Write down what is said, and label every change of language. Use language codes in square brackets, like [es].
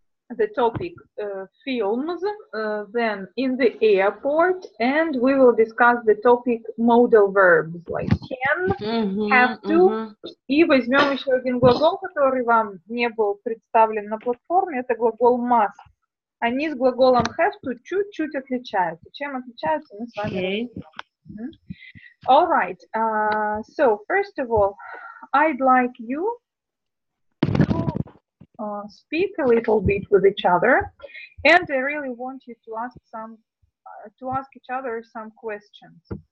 [en] the topic films, then in the airport, and we will discuss the topic modal verbs, like can, have to. [ru] И возьмем еще один глагол, который вам не был представлен на платформе, это глагол must. Они с глаголом have to чуть-чуть отличаются. Чем отличаются, мы с вами разберем. [en] All right. So, first of all, I'd like you to speak a little bit with each other, and I really want you to ask some, to ask each other some questions.